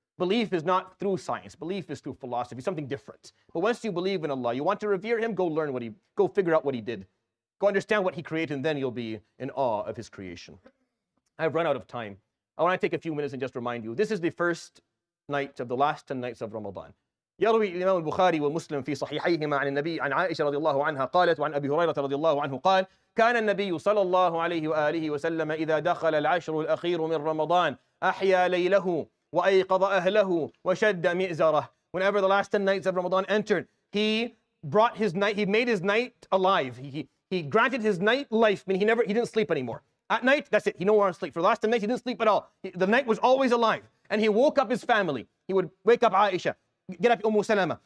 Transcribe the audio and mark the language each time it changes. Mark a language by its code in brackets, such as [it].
[en] Belief is not through science. Belief is through philosophy, something different. But once you believe in Allah, you want to revere Him, go learn what He, go figure out what He did. Go understand what He created, and then you'll be in awe of His creation. I've run out of time. I want to take a few minutes and just remind you, this is the first night of the last 10 nights of Ramadan. [ar] يروي الإمام البخاري ومسلم في صحيحيهما عن النبي عن عائشة رضي الله عنها قالت وعن أبي هريرة رضي الله عنه قال كان النبي صلى الله عليه وآله وسلم إذا دخل العشر الأخير من رمضان أحيا ليله وأيقظ أهله وشد مئزره. [en] Whenever the last 10 nights of Ramadan entered, he brought his night, he made his night alive. He granted his night life, meaning he didn't sleep anymore. At night, that's it, he no longer sleep. For the last 10 nights, he didn't sleep at all. The night was always alive. And he woke up his family. He would wake up Aisha, get up Umm Salama.